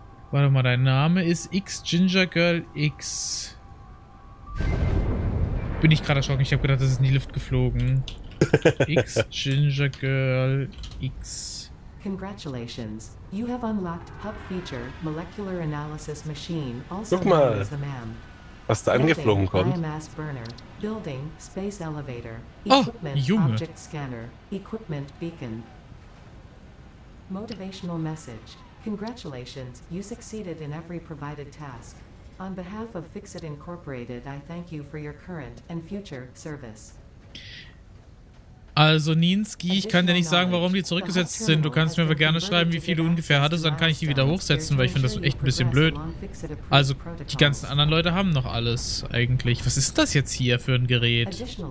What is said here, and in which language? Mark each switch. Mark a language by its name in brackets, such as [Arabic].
[German] Warte mal, dein Name ist X Ginger Girl X. Bin ich gerade erschrocken, ich habe gedacht, das ist in die Luft geflogen. X Ginger Girl X. [English] Congratulations. You have unlocked Hub Feature Molecular Analysis Machine, also known as the MAM. [German] Was da angeflogen kommt. [English] IMS Burner, Building, Space Elevator, Equipment, [German] oh, Junge. [English] Object Scanner, Equipment Beacon. Motivational Message. Congratulations, you succeeded in every provided task. On behalf of Fixit Incorporated, I thank you for your current and future service. [German] Also Ninsky, ich kann dir nicht sagen, warum die zurückgesetzt sind. Du kannst mir aber gerne schreiben, wie viel du ungefähr hattest, dann kann ich die wieder hochsetzen, weil ich finde das echt ein bisschen blöd. Also, die ganzen anderen Leute haben noch alles eigentlich. Was ist das jetzt hier für ein Gerät?